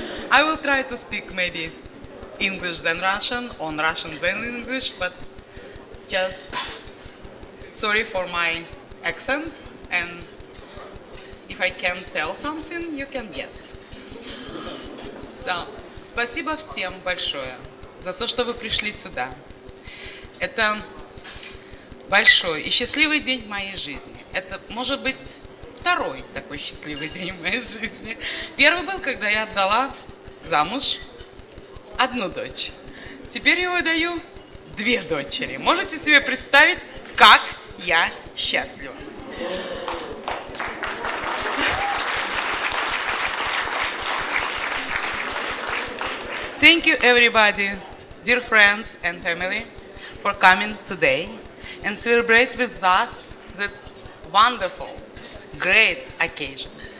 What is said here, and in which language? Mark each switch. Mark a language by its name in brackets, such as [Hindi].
[English] I will try to speak maybe English then Russian, on Russian then English, but just sorry for my accent, and if I can tell something, you can guess. [Russian] So, спасибо всем большое за то, что вы пришли сюда. Это большой и счастливый день в моей жизни. Это может быть второй такой счастливый день в моей жизни. Первый был, когда я отдала замуж одну дочь. Теперь я выдаю две дочери. Можете себе представить, как я счастлива. [English] Thank you everybody, dear friends and family, for coming today and celebrate with us that wonderful, great occasion.